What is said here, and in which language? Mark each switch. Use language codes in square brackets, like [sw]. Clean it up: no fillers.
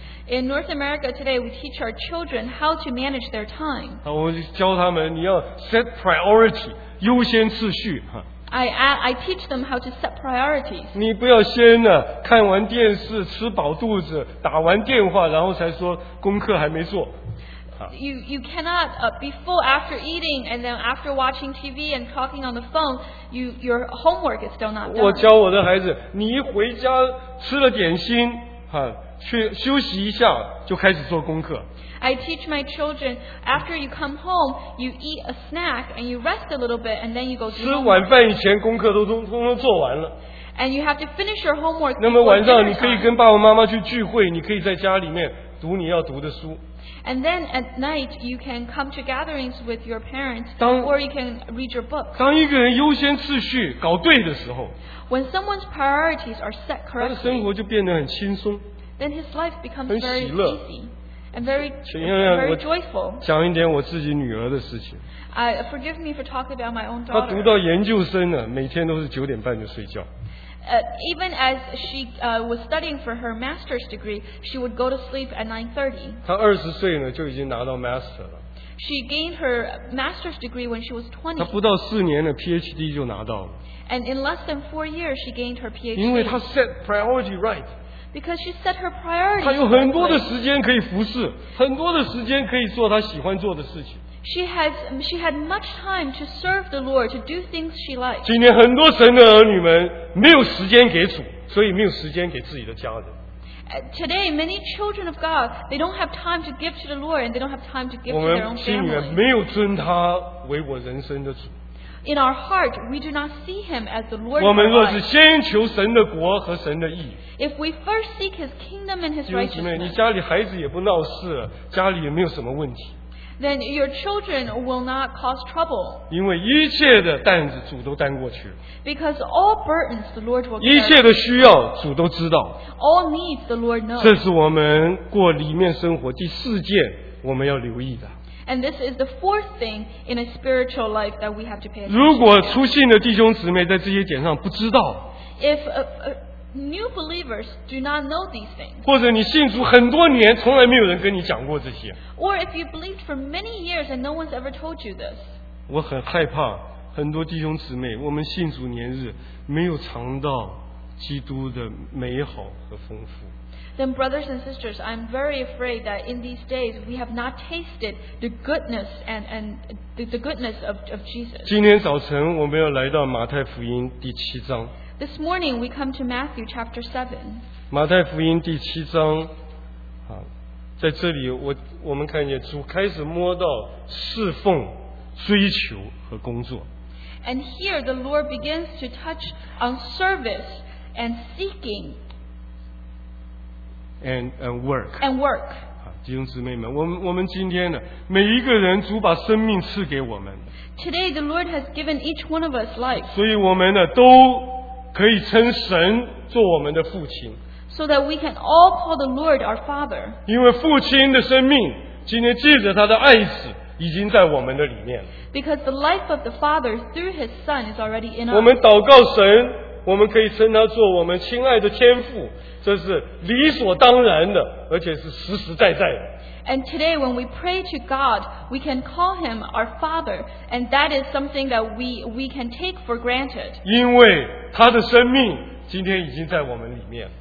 [en] In North America today, we teach our children how to manage their time. [zh] 我教他们你要 [en] set priority, [zh] 优先次序。 [en] I teach them how to set priorities. [zh] 你不要先呢看完电视吃饱肚子打完电话然后才说功课还没做。 [en] You cannot be full after eating and then after watching TV and talking on the phone, your homework is still not done. [zh] 我教我的孩子，你一回家吃了点心，哈，去休息一下，就开始做功课。 [en] I teach my children, after you come home, you eat a snack and you rest a little bit and then you go to school. [zh] 吃晚饭以前功课都通通做完了。 [en] And you have to finish your homework. [zh] 那么晚上你可以跟爸爸妈妈去聚会，你可以在家里面读你要读的书。 [en] And then at night, you can come to gatherings with your parents or you can read your book. [zh] 当一个人优先次序搞对的时候， [en] When someone's priorities are set correctly, [zh] 他的生活就变得很轻松， [en] then his life becomes very easy. [zh] 很喜乐。 [en] And very, very joyful. [zh] 讲一点我自己女儿的事情。 [en] Forgive me for talking about my own daughter. [zh] 她读到研究生了，每天都是九点半就睡觉。 [en] Even as she was studying for her master's degree, she would go to sleep at 9:30. [zh] 她20岁呢，就已经拿到 master 了。 [en] She gained her master's degree when she was 20. [zh] 她不到四年呢 ，PhD 就拿到了。 [en] And in less than 4 years, she gained her PhD. [zh] 因为她 [en] set priority right. Because she set her priorities. [zh] 她有很多的时间可以服侍，很多的时间可以做她喜欢做的事情。 [en] She had much time to serve the Lord, to do things she liked. [zh] 今天很多神的儿女们没有时间给主，所以没有时间给自己的家人。 [en] Today, many children of God, they don't have time to give to the Lord, and they don't have time to give to their own family. [zh] 我们心里面没有尊他为我人生的主。 [en] In our heart, we do not see him as the Lord. [zh] 我们若是先求神的国和神的义。 [en] If we first seek his kingdom and his righteousness. [zh] 弟兄姊妹，你家里孩子也不闹事，家里也没有什么问题。 [en] Then your children will not cause trouble. [zh] 因为一切的担子主都担过去了。 [en] Because all burdens the Lord will carry. [zh] 一切的需要主都知道。 [en] All needs the Lord knows. [zh] 这是我们过里面生活第四件我们要留意的。 [en] And this is the fourth thing in a spiritual life that we have to pay attention to. [zh] 如果出信的弟兄姊妹在这些点上不知道， [en] If new believers do not know these things, [zh] 或者你信主很多年从来没有人跟你讲过这些， [en] Or if you believed for many years and no one's ever told you this, [zh] 我很害怕很多弟兄姊妹我们信主年日没有尝到基督的美好和丰富。 [en] Then brothers and sisters, I'm very afraid that in these days we have not tasted the goodness and the goodness of Jesus. [zh] 今天早晨我们要来到马太福音第七章。 [en] This morning we come to Matthew chapter 7. [zh] 马太福音第七章，在这里我们看见主开始摸到侍奉、追求和工作。 [en] And here the Lord begins to touch on service and seeking. And work. [zh] 弟兄姊妹们，我们今天呢，每一个人主把生命赐给我们。 [en] Today the Lord has given each one of us life. [zh] 所以我们呢，都可以称神做我们的父亲。 [en] So that we can all call the Lord our Father. [zh] 因为父亲的生命，今天借着他的爱子，已经在我们的里面了。 [en] Because the life of the Father through His Son is already in us. [zh] 我们祷告神。我们可以称他做我们亲爱的天父，这是理所当然的，而且是实实在在的。 [en] And today, when we pray to God, we can call Him our Father, and that is something that we can take for granted. [zh] 因为他的生命今天已经在我们里面。